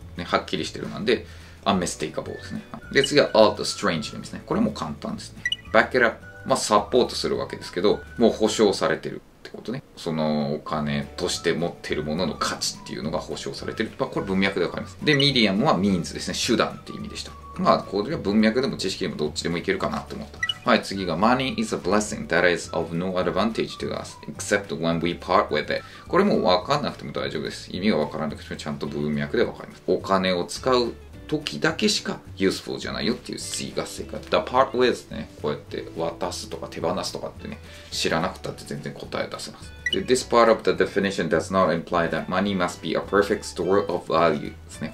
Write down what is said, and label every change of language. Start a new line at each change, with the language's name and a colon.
Japanese: ね、はっきりしてるなんで、unmistakable ですね。で、次は
English: odd strange
Japanese: ですね。これも簡単ですね。
English: back it up。
Japanese: まあ、サポートするわけですけど、もう保証されてるってことね。そのお金として持ってるものの価値っていうのが保証されてる。まあ、これ文脈でわかります。で、medium は means ですね。手段って意味でした。まあ、これは文脈でも知識でもどっちでもいけるかなと思った。はい、次が
English: money is a blessing that is of no advantage to us except when we part with it。
Japanese: これもわかんなくても大丈夫です。意味がわからなくてもちゃんと文脈でわかります。お金を使う時だけしか useful じゃないよっていう C が正解。
English: The part with
Japanese: ね、こうやって渡すとか手放すとかってね、知らなくたって全然答え出せます。で、
English: This part of the definition does not imply that money must be a perfect store of value
Japanese: ですね。